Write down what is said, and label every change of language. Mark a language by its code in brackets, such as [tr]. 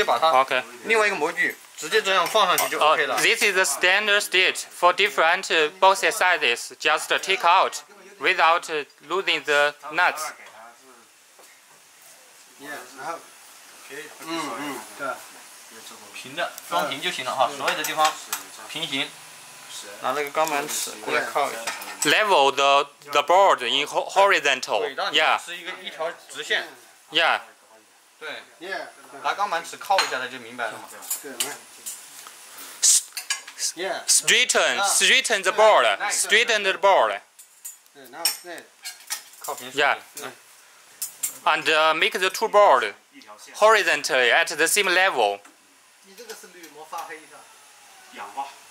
[zh] 这个就是个正常状态。对，这是什么？就比如说模具好了，我们就直接这样取一取就拿掉了。你换模具，直接把它。另外一个模具，直接这样放上去就 OK 了。 [en] This is the standard state for different box sizes. Just take out without losing the nuts. Yeah. [zh] 然后，平的，装平就行了哈，所有的地方平行。拿那个钢板尺过来靠一下。 [en] Level the board in horizontal. Yeah. [zh] 是一个一条直线。Yeah. 对。拿钢板尺靠一下，它就明白了嘛。 [en] Straighten the board. Straighten the board. [zh] 靠平。Yeah. [en] And make the two board horizontally at the same level. [zh] 你这个是铝膜发黑的。氧化。